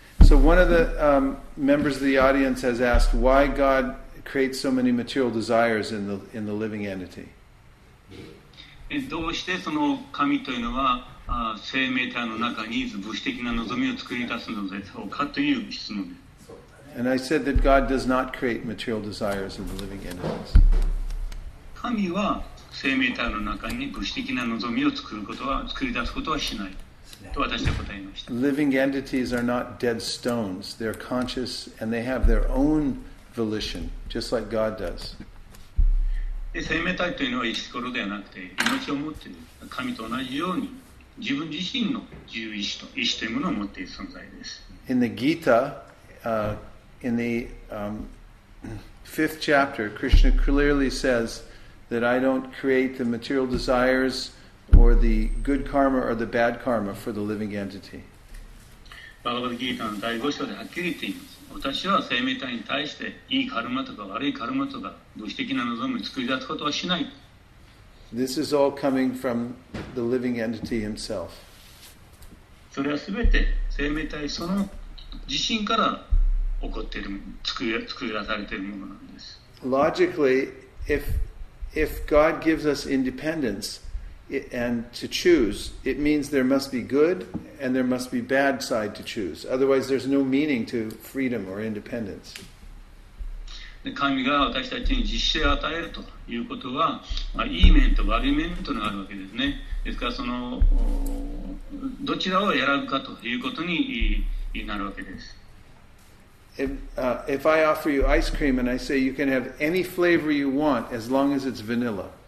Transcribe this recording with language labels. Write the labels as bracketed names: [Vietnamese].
[English] So one of the members of the audience has asked why God creates so many material desires in the living entity. [Japanese] どうしてその神というのは生命体の中に物質的な望みを作り出すのでしょうかという質問です。 [English] And I said that God does not create material desires of the living entities. [Japanese] 神は生命体の中に物質的な望みを作り出すことはしないと私は答えました。 [English] Living entities are not dead stones. They're conscious and they have their own volition, just like God does. [Japanese] 生命体というのは石ころではなくて命を持っている神と同じように自分自身の自由意志というものを持っている存在です。 [English] In the Gita, In the fifth chapter, Krishna clearly says that I don't create the material desires or the good karma or the bad karma for the living entity. [Japanese] Bhagavad Gita の第5章ではっきり言っています。私は生命体に対していいカルマとか悪いカルマとか物質的な望みを作り出すことはしない。 [English] This is all coming from the living entity himself. [Japanese] それはすべて生命体その自身から起こっている作り出されているものなんです。 [English] Logically, if God gives us independence and to choose, it means there must be good and there must be bad side to choose. Otherwise, there's no meaning to freedom or independence. [Japanese] 神が私たちに自主性を与えるということは、まあ、いい面と悪い面というのがあるわけですね。ですからそのどちらを選ぶかということになるわけです。 [English] If I offer you ice cream and I say you can have any flavor you want as long as it's vanilla.